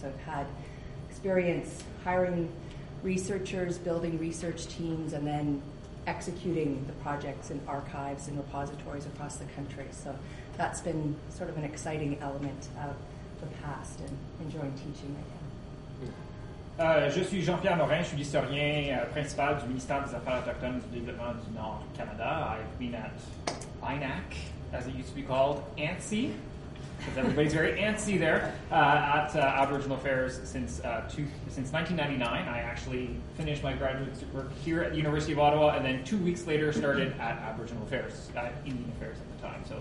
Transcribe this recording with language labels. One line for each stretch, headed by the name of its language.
English: So I've had experience hiring researchers, building research teams, and then executing the projects and archives and repositories across the country. So that's been sort of an exciting element of the past and enjoying teaching again.
French: Je suis Jean-Pierre Morin, je suis l'historien principal du ministère des Affaires autochtones du développement du Nord du Canada.
English: I've been at INAC, as it used to be called, ANSI, because everybody's very antsy there, at Aboriginal Affairs since 1999. I actually finished my graduate work here at the University of Ottawa, and then 2 weeks later started at Aboriginal Affairs, Indian Affairs at the time.